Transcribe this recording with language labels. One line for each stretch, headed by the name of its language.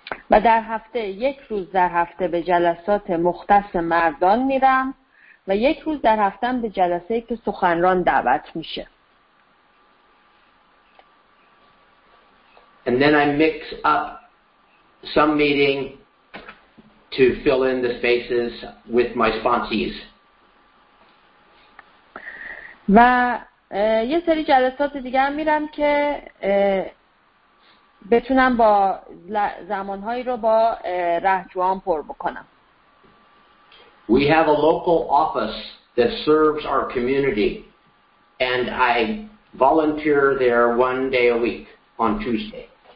Persian: و در هفته یک روز در هفته به جلسات مختص مردان میرم و یک روز در هفته به جلسه که سخنران دعوت میشه.
English: And then I mix up some meeting to fill in the spaces with my sponsees.
Persian: و یه سری جلسات دیگه هم میرم که بتونم با زمانهایی رو با رهجوان پر بکنم.
English: We have a local office that serves our community and I volunteer there one day a week on Tuesday.